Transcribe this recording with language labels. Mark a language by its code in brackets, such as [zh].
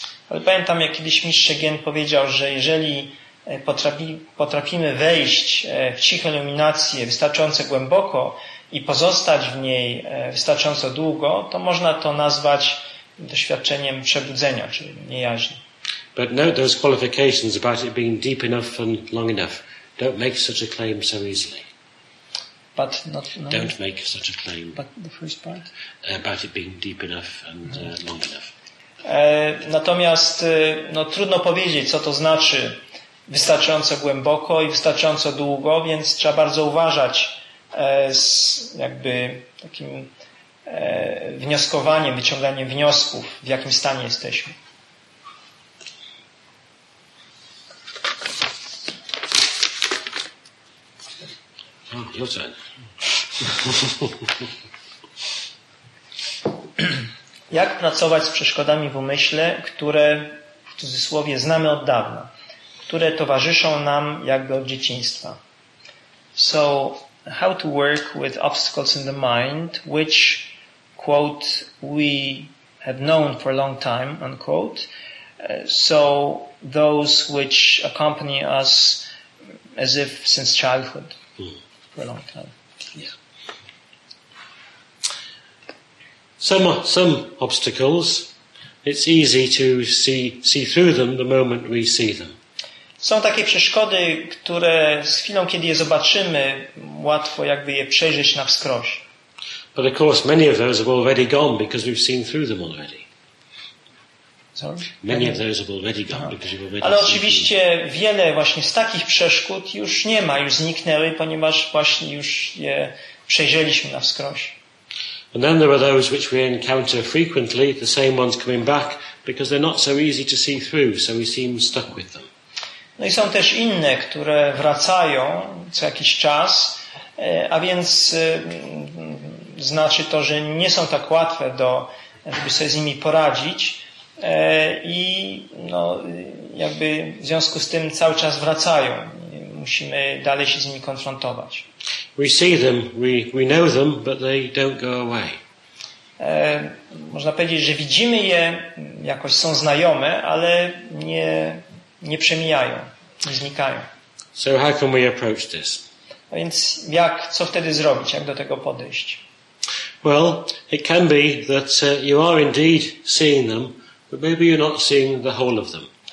[pl] Ale pamiętam, jak kiedyś Mistrz Shengen powiedział, że jeżeli potrafimy wejść w cichą iluminację wystarczająco głęboko i pozostać w niej wystarczająco długo, to można to nazwać doświadczeniem przebudzenia, czyli niejaźni. [en] But note those qualifications about it being deep enough and long enough. Don't make such a claim so easily. But not. No. Don't make such a claim. But the first part. About it being deep enough and long enough. [pl] Natomiast no, trudno powiedzieć, co to znaczy wystarczająco głęboko i wystarczająco długo, więc trzeba bardzo uważać z jakby takim wnioskowaniem, wyciąganiem wniosków, w jakim stanie jesteśmy. [en] Oh, your turn. [pl] Jak pracować z przeszkodami w umyśle, które w cudzysłowie znamy od dawna, które towarzyszą nam jakby od dzieciństwa? [en] So, how to work with obstacles in the mind, which, quote, we have known for a long time, unquote. So, those which accompany us as if since childhood. For a long time. Yeah. Some obstacles, it's easy to see through them the moment we see them. [pl] Są takie przeszkody, które z chwilą, kiedy je zobaczymy, łatwo jakby je przejrzeć na wskroś. [en] But of course, many of those have already gone because we've seen through them already. Many of those have already gone because you've already. [pl] Ale oczywiście wiele właśnie z takich przeszkód już nie ma, już zniknęły, ponieważ właśnie już je przejrzeliśmy na wskroś. [en] And then there are those which we encounter frequently, the same ones coming back, because they're not so easy to see through, so we seem stuck with them. [pl] No i są też inne, które wracają co jakiś czas, a więc znaczy to, że nie są tak łatwe do, żeby sobie z nimi poradzić. I no, jakby w związku z tym cały czas wracają. Musimy dalej się z nimi konfrontować. [en] We see them, we know them, but they don't go away. [pl] Można powiedzieć, że widzimy je, jakoś są znajome, ale nie przemijają, nie znikają. [en] So how can we approach this? [pl] A więc jak, co wtedy zrobić, jak do tego podejść? [en] Well, it can be that you are indeed seeing them, but maybe you're not seeing the whole of them.